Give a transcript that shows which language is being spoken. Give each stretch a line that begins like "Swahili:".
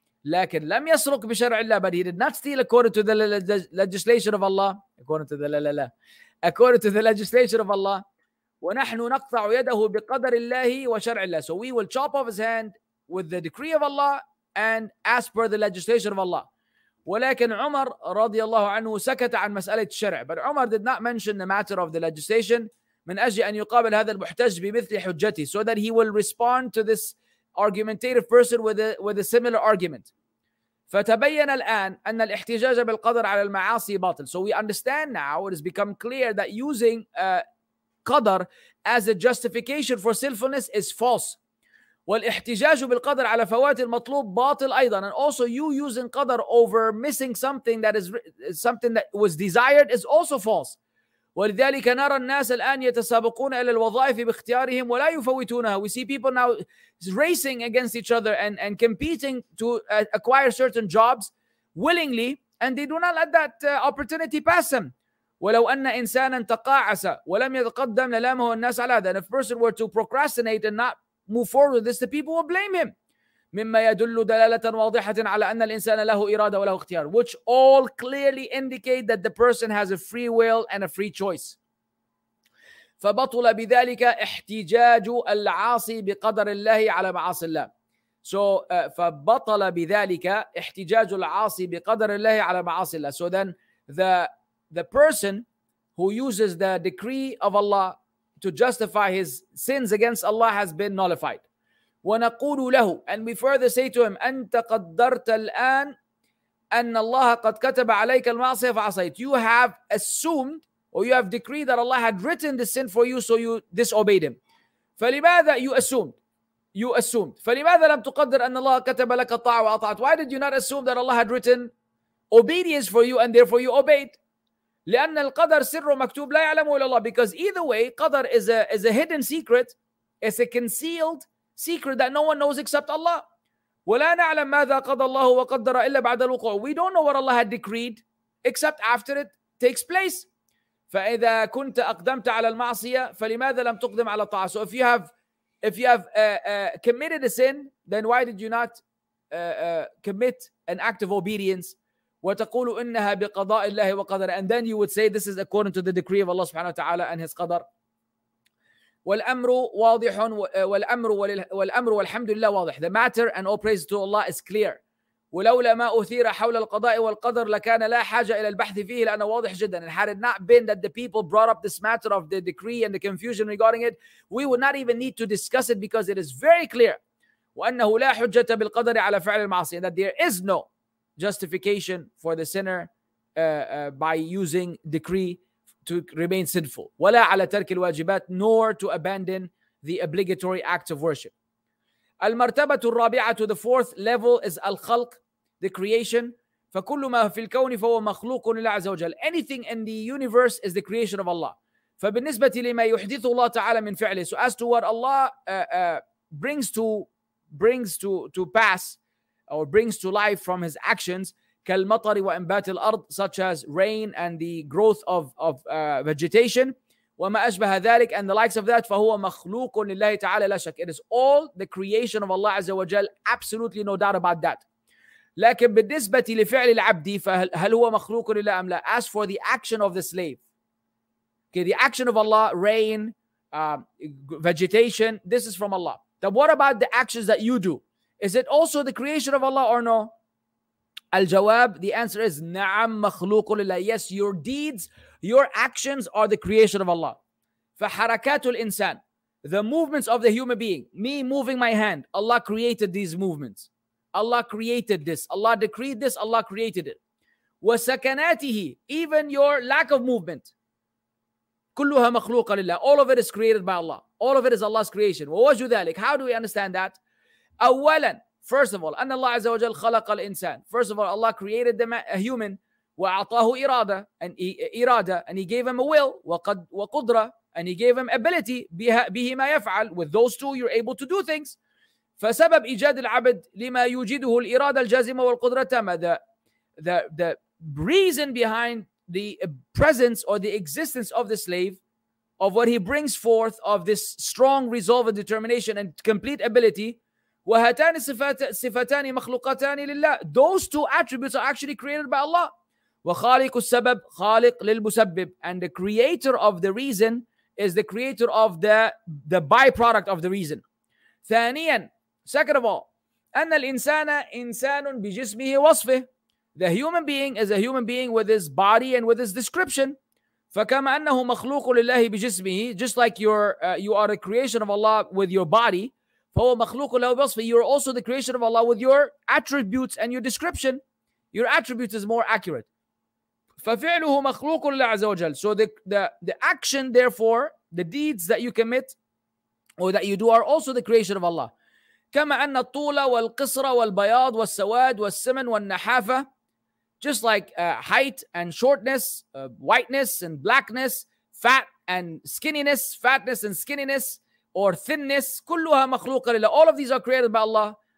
Arabic: لكن لم يسرق بشرع الله.
English: But he did not steal according to the legislation of Allah. According to the legislation of Allah.
Arabic: ونحن نقطع يده بقدر الله وشرع الله.
English: So we will chop off his hand with the decree of Allah and as per the legislation of Allah.
Arabic: ولكن عمر رضي الله عنه سكت عن مسألة الشرع.
English: But Umar did not mention the matter of the legislation.
Arabic: من أجل أن يقابل هذا المحتج بمثل حجته,
English: so that he will respond to this argumentative person with a similar argument.
Arabic: فتبين الآن أن الاحتجاج بالقدر على المعاصي باطل.
English: So we understand now, it has become clear that using qadar as a justification for sinfulness is false.
Arabic: والاحتجاج بالقدر على فوات المطلوب باطل أيضا.
English: And also you using qadar over missing something that is something that was desired is also false.
Arabic: ولذلك نرى الناس الآن يتسابقون إلى الوظائف باختيارهم ولا يفوتونها.
English: We see people now racing against each other and competing to acquire certain jobs willingly, and they do not let that opportunity pass them.
Arabic: ولو أن إنسانا تقاعس ولم يتقدم للامه الناس على هذا.
English: And if a person were to procrastinate and not move forward with this, the people will blame him.
Arabic: مما يدل دلالة واضحة على أن الإنسان له إرادة وله اختيار,
English: which all clearly indicate that the person has a free will and a free choice.
Arabic: فبطل بذلك احتجاج العاصي بقدر الله على معاصي الله.
English: So
Arabic: فبطل بذلك احتجاج العاصي بقدر الله على معاصي الله.
English: So then the person who uses the decree of Allah to justify his sins against Allah has been nullified.
Arabic: ونقول له,
English: and we further say to him,
Arabic: أنت قدرت الآن أن الله قد كتب عليك المعصية فعصيت.
English: You have assumed or you have decreed that Allah had written the sin for you, so you disobeyed him.
Arabic: فلماذا
English: you assumed
Arabic: فلماذا لم تقدر أن الله كتب لك الطاعة وأطعت.
English: Why did you not assume that Allah had written obedience for you and therefore you obeyed?
Arabic: لأن القدر سر مكتوب لا يعلمه إلا الله.
English: Because either way, قدر is a hidden secret, it's a concealed secret that no one knows except Allah.
Arabic: وَلَا نَعْلَمْ مَاذَا قَضَى اللَّهُ وَقَدَّرَ إِلَّا بَعْدَ الْوُقُوعِ.
English: We don't know what Allah had decreed except after it takes place.
Arabic: فَإِذَا كُنْتَ أَقْدَمْتَ عَلَى الْمَعْصِيَةِ فَلِمَاذَا لَمْ تُقْدِمْ عَلَى الطَّاعَةِ.
English: So if you have committed a sin, then why did you not commit an act of obedience?
Arabic: وَتَقُولُ إِنَّهَا بِقَضَاءِ اللَّهِ وَقَدَرِ.
English: And then you would say this is according to the decree of Allah subhanahu wa ta'ala and his qadr.
Arabic: والأمر واضح والأمر والحمد لله واضح.
English: The matter and all praise to Allah is clear.
Arabic: ولولا ما أثير حول القضاء والقدر لكان لا حاجة إلى البحث فيه لأنه واضح جدا.
English: And had it not been that the people brought up this matter of the decree and the confusion regarding it, we would not even need to discuss it because it is very clear.
Arabic: وأنه لا حجة بالقدر على فعل المعصية.
English: And that there is no justification for the sinner by using decree to remain sinful.
Arabic: ولا على ترك الواجبات,
English: nor to abandon the obligatory act of worship.
Arabic: المرتبة الرابعة,
English: the fourth level is الخلق, the creation.
Arabic: فكل ما في الكون فهو مخلوق لله عز وجل.
English: Anything in the universe is the creation of Allah.
Arabic: فبالنسبة لما يحدث الله تعالى من فعله,
English: so as to what Allah brings to life from his actions,
Arabic: كالمطر وإنبات الأرض,
English: such as rain and the growth of vegetation,
Arabic: وما أشبه ذلك
English: and the likes of that,
Arabic: فهو مخلوق لله تعالى لا شك.
English: It is all the creation of Allah عز وجل, absolutely no doubt about that.
Arabic: لكن بالنسبة لفعل العبد, فهل هو مخلوق لله أم لا.
English: As for the action of the slave, okay, the action of Allah, rain, vegetation, this is from Allah. Then what about the actions that you do? Is it also the creation of Allah or no?
Arabic: الجواب,
English: the answer is
Arabic: نعم مخلوق لله.
English: Yes, your deeds, your actions are the creation of Allah. فحركات الإنسان, the movements of the human being, me moving my hand, Allah created these movements. Allah created this. Allah decreed this. Allah created it.
Arabic: وسكناته,
English: even your lack of movement.
Arabic: كلها مخلوقة لله.
English: All of it is created by Allah. All of it is Allah's creation.
Arabic: ووجه ذلك.
English: How do we understand that?
Arabic: أولا,
English: first of all,
Arabic: أن الله عز وجل خلق الإنسان.
English: First of all, Allah created a human
Arabic: وأعطاه إرادة
English: and he gave him a will
Arabic: وقدرة
English: and he gave him ability
Arabic: به ما يفعل.
English: With those two, you're able to do things.
Arabic: فسبب إيجاد العبد لما يوجده الإرادة الجازمة والقدرة التامة.
English: The reason behind the presence or the existence of the slave, of what he brings forth, of this strong resolve and determination and complete ability.
Arabic: وهاتان صفتان مخلوقتان لله.
English: Those two attributes are actually created by Allah.
Arabic: وخالق السبب خالق للمسبب.
English: And the creator of the reason is the creator of the byproduct of the reason.
Arabic: ثانيا,
English: second of all,
Arabic: أن الإنسان إنسان بجسمه وصفه.
English: The human being is a human being with his body and with his description.
Arabic: فكما أنه مخلوق لله بجسمه,
English: just like you are a creation of Allah with your body,
Arabic: فهو مخلوق له بوصفه,
English: you are also the creation of Allah with your attributes and your description. Your attributes is more accurate.
Arabic: ففعله مخلوق لله عز وجل.
English: So the action, therefore, the deeds that you commit or that you do are also the creation of Allah.
Arabic: كما أن الطول والقصر والبياض والسواد والسمن والنحافة.
English: Just like height and shortness, whiteness and blackness, fat and skinniness, fatness and skinniness, or thinness,
Arabic: كلها مخلوقة لله.
English: All of these are created by Allah.